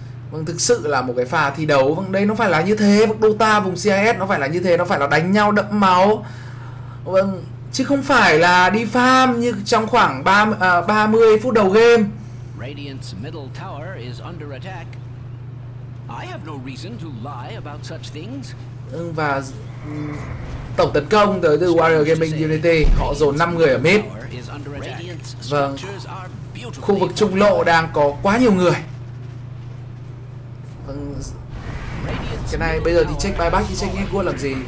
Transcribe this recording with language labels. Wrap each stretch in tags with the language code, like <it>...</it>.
<vi>Vâng, thực sự là một cái pha thi đấu. Vâng, đây nó phải là như thế. Vâng, Dota vùng CIS nó phải là như thế. Nó phải là đánh nhau đẫm máu. Vâng, chứ không phải là đi farm như trong khoảng 30 phút đầu game.</vi> <en>Radiant's middle tower is under attack. I have no reason to lie about such things.</en> <vi>Và tổng tấn công tới từ Warrior Gaming Unity, họ dồn 5 người ở mid. Vâng, khu vực trung lộ đang có quá nhiều người. Vâng, cái này bây giờ thì check buyback, thì check nghe cua làm gì.</vi>